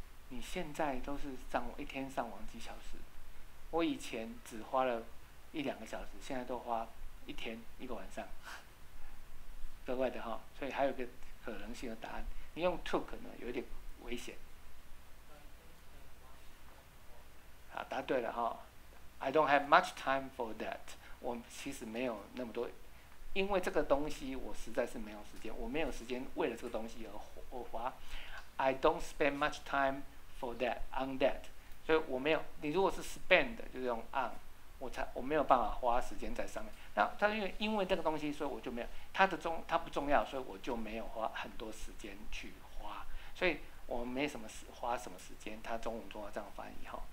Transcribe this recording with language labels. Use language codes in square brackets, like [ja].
[zh] 你现在都是上网一天上网几小时？我以前只花了一两个小时，现在都花一天一个晚上。格外的哈、哦，所以还有一个可能性的答案，你用 took 呢有点危险。 [en] 啊、答对了哈 ，I don't have much time for that。 [zh] 我其实没有那么多，因为这个东西我实在是没有时间，我没有时间为了这个东西而花。 [en] I don't spend much time for that on that。 [zh] 所以我没有，你如果是 spend 就是用 on， 我没有办法花时间在上面。那他因为这个东西，所以我就没有它不重要，所以我就没有花很多时间去花。所以我没什么花什么时间，它中文中要这样翻译哈。